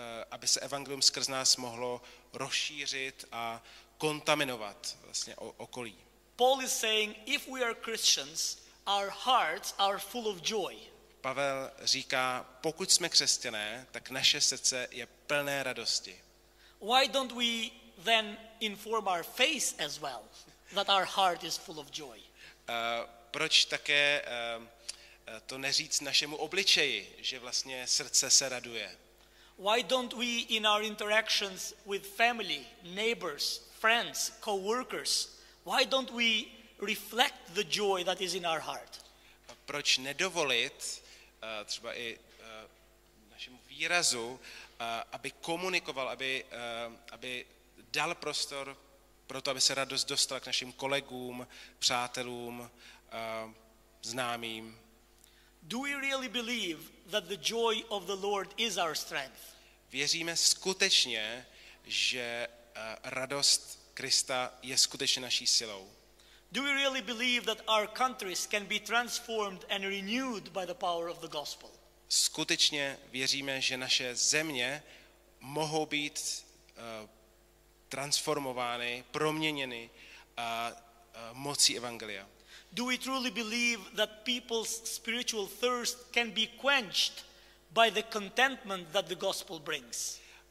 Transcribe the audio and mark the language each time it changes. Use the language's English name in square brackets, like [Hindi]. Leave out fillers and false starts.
[Czech] aby se evangelium skrz nás mohlo rozšířit a kontaminovat vlastně okolí. [English] Paul is saying if we are Christians, our hearts are full of joy. [Czech] Pavel říká, pokud jsme křesťané, tak naše srdce je plné radosti. [English] Why don't we then inform our face as well that our heart is full of joy? [Czech] Proč také to neříct našemu obličeji, že vlastně srdce se raduje? [English] Why don't we in our interactions with family, neighbors, friends, co-workers, why don't we reflect the joy that is in our heart? [Czech] Proč nedovolit třeba i našemu výrazu, aby komunikoval, aby dal prostor pro to, aby se radost dostala k našim kolegům, přátelům, známým? [English] Do we really believe that the joy of the Lord is our strength? [Czech] Věříme skutečně, že radost Krista je skutečně naší silou? [English] Do we really believe that our countries can be transformed and renewed by the power of the gospel? [Czech] Skutečně věříme, že naše země mohou být transformovány, proměněny mocí evangelia? [English] Do we truly believe that people's spiritual thirst can be quenched by the contentment that the gospel brings?